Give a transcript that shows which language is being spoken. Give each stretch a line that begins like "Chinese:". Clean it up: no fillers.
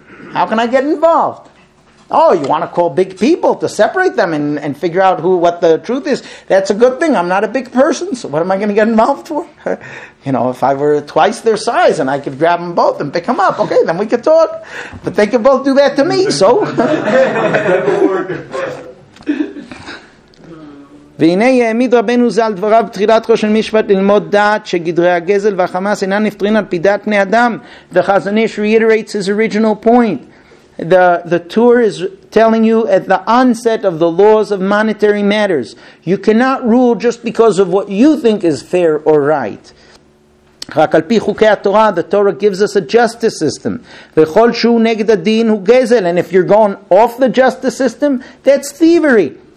English: How can I get involved? Oh, you want to call big people to separate them and figure out who what the truth is? That's a good thing. I'm not a big person, so what am I going to get involved for? You know, if I were twice their size and I could grab them both and pick them up, okay, then we could talk. But they could both do that to me, so.
Hebrew: והנה יעמיד רבנו זל דבריו בתחילת חושן משפט ללמוד דעת שגדרי הגזל והחמאס אינן נפטרין על פידת פני אדם.
English: וחזון איש reiterates his original point. The Torah is telling you at the onset of the laws of monetary matters. You cannot rule just because of what you think is fair or right.
Hebrew: רק על פי חוקי התורה,
English: the Torah gives us a justice system.
Hebrew: וכל שהוא נגד הדין הוא גזל.
English: And if you're going off the justice system, that's thievery.